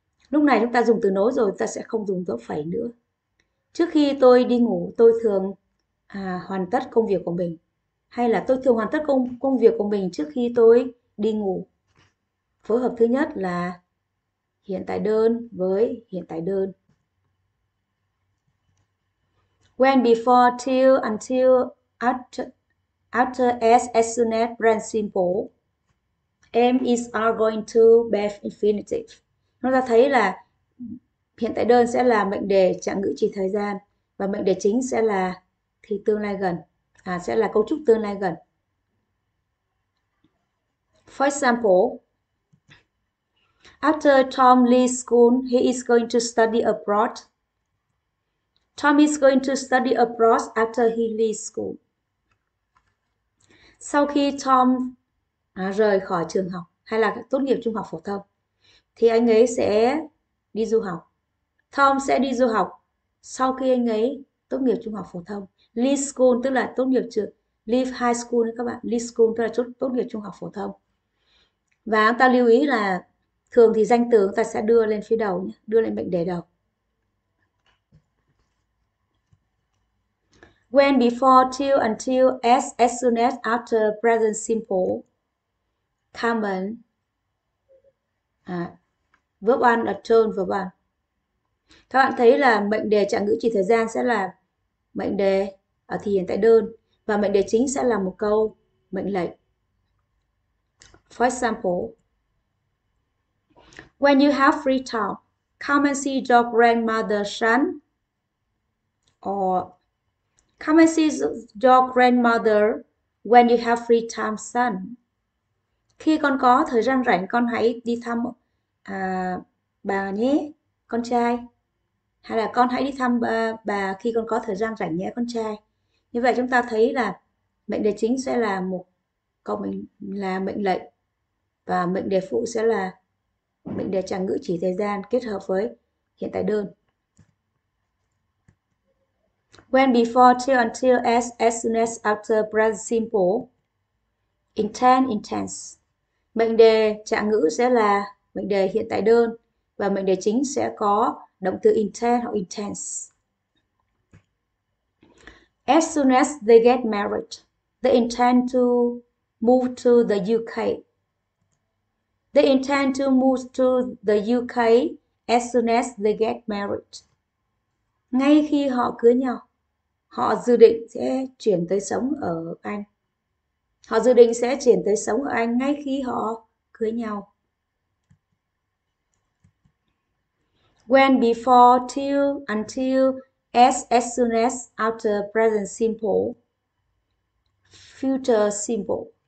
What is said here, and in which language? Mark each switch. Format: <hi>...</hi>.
<vi>Lúc này chúng ta dùng từ nối rồi, ta sẽ không dùng dấu phẩy nữa. Trước khi tôi đi ngủ, tôi thường hoàn tất công việc của mình. Hay là tôi thường hoàn tất công việc của mình trước khi tôi đi ngủ. Phối hợp thứ nhất là hiện tại đơn với hiện tại đơn.</vi> <en>When, before, till, until, after, as soon as, present simple. Am, is, are going to be infinitive.</en> <vi>Chúng ta thấy là hiện tại đơn sẽ là mệnh đề trạng ngữ chỉ thời gian và mệnh đề chính sẽ là thì tương lai gần, sẽ là cấu trúc tương lai gần.</vi> <en>For example, after Tom leaves school, he is going to study abroad. Tom is going to study abroad after he leaves school.</en> <vi>Sau khi Tom rời khỏi trường học hay là tốt nghiệp trung học phổ thông thì anh ấy sẽ đi du học. Tom sẽ đi du học sau khi anh ấy tốt nghiệp trung học phổ thông. Leave school tức là tốt nghiệp trường.</vi> <en>Leave high school</en> <vi>đấy các bạn. Leave school tức là tốt nghiệp trung học phổ thông. Và chúng ta lưu ý là thường thì danh từ chúng ta sẽ đưa lên phía đầu nhé, đưa lên mệnh đề đầu.</vi> <en>When, before, till, until, as soon as, after, present simple. Common. Verb one, a tone, verb one.</en> <vi>Các bạn thấy là mệnh đề trạng ngữ chỉ thời gian sẽ là mệnh đề ở thì hiện tại đơn. Và mệnh đề chính sẽ là một câu mệnh lệnh.</vi> <en>For example, when you have free time, come and see your grandmother, son. Or come and see your grandmother when you have free time, son.</en> <vi>Khi con có thời gian rảnh, con hãy đi thăm bà nhé, con trai. Hay là con hãy đi thăm bà khi con có thời gian rảnh nhé, con trai. Như vậy chúng ta thấy là mệnh đề chính sẽ là một câu là mệnh lệnh và mệnh đề phụ sẽ là mệnh đề trạng ngữ chỉ thời gian kết hợp với hiện tại đơn.</vi> <en>When before, till, until, as soon as, after, present simple. Intent, intense.</en> <vi>Mệnh đề trạng ngữ sẽ là mệnh đề hiện tại đơn và mệnh đề chính sẽ có động từ intent hoặc intense.</vi> <en>As soon as they get married, they intend to move to the UK. They intend to move to the UK as soon as they get married.</en> <vi>Ngay khi họ cưới nhau, họ dự định sẽ chuyển tới sống ở Anh. Họ dự định sẽ chuyển tới sống ở Anh ngay khi họ cưới nhau.</vi> <en>When before, till, until, as soon as, after, present simple, future simple.</en>